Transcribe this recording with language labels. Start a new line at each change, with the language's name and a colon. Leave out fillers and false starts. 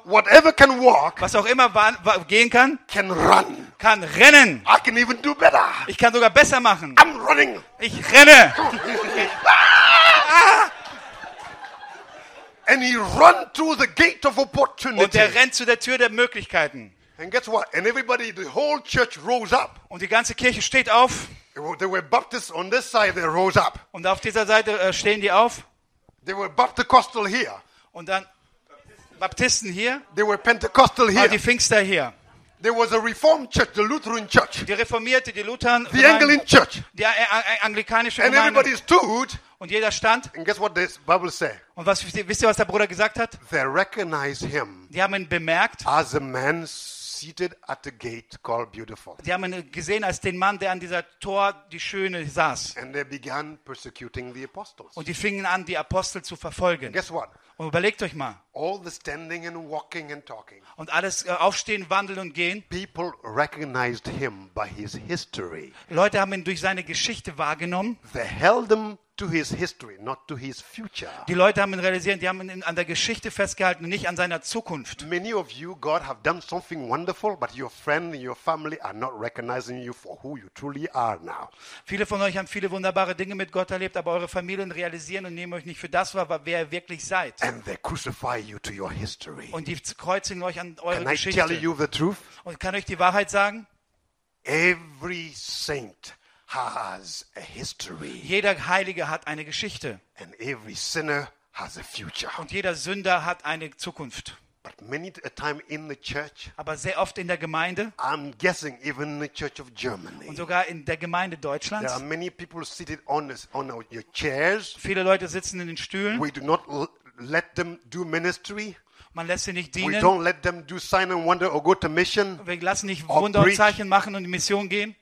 English: Whatever can walk,
German: was auch immer gehen kann,
English: can run,
German: kann rennen.
English: I can even do better.
German: Ich kann sogar besser machen.
English: I'm running.
German: Ich renne.
English: And he ran through the gate of opportunity.
German: Und er rennt zu der Tür der Möglichkeiten.
English: And guess what? And everybody, the whole church rose up.
German: Und die ganze Kirche steht auf.
English: There were Baptists on this side. They rose up.
German: Und auf dieser Seite stehen die auf.
English: They were Baptistical here.
German: Und dann Baptisten hier.
English: They were Pentecostal here.
German: Ah, die Pfingster hier.
English: There was a Reformed church, the Lutheran church.
German: Die Reformierte, die Lutheran.
English: The Anglican church.
German: Die anglikanische
English: Gemeinde. And everybody stood.
German: Und jeder stand.
English: And guess what this Bible say?
German: Und was wisst ihr, was der Bruder gesagt hat?
English: They recognized him.
German: Die haben ihn bemerkt.
English: As a man seated at the gate called Beautiful.
German: Die haben ihn gesehen als den Mann, der an dieser Tor die Schöne saß.
English: And they began persecuting the apostles.
German: Und die fingen an, die Apostel zu verfolgen.
English: Guess what?
German: Und überlegt euch mal.
English: All the standing and walking and talking.
German: Und alles aufstehen, wandeln und gehen.
English: People recognized him by his history.
German: Leute haben ihn durch seine Geschichte wahrgenommen.
English: They held him to his history, not to his future.
German: Die Leute haben ihn realisiert, die haben ihn an der Geschichte festgehalten, nicht an seiner Zukunft.
English: Many of you, God have done something wonderful, but your friend and your family are not recognizing you for who you truly are now.
German: Viele von euch haben viele wunderbare Dinge mit Gott erlebt, aber eure Familien realisieren und nehmen euch nicht für das wahr, wer ihr wirklich seid.
English: And they crucify you to your history.
German: Und die kreuzigen euch an eure
English: Can
German: Geschichte.
English: Can I tell you the truth?
German: Und kann euch die Wahrheit sagen?
English: Every saint has a history.
German: Jeder Heilige hat eine Geschichte.
English: And every sinner has a future.
German: Und jeder Sünder hat eine Zukunft.
English: But many a time in the church,
German: aber sehr oft in der Gemeinde,
English: I'm guessing even in the church of Germany,
German: und sogar in der Gemeinde Deutschlands,
English: there are many people seated on this, on your chairs.
German: Viele Leute sitzen in den Stühlen.
English: We do not let them do ministry.
German: Man lässt sie nicht dienen.
English: We don't let them do sign and wonder or go to mission.
German: Wir lassen nicht Wunder und Zeichen machen und in Mission gehen.